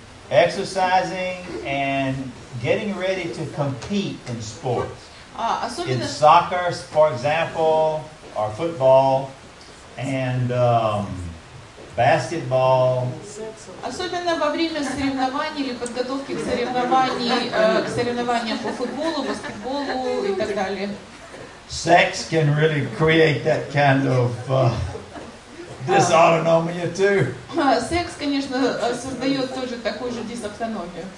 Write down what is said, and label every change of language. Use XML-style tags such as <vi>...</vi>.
<en>Exercising and getting ready to compete in sports.</en> <ru>Особенно</ru> <en>in soccer, for example, or football and basketball.</en> <ru>Особенно во время соревнований или подготовки к соревнованиям по футболу, баскетболу и так далее.</ru> <en>Sex can really create that kind of dysautonomia too.</en> <ru>Sex, конечно, создает тоже такую же дисавтономию.</ru>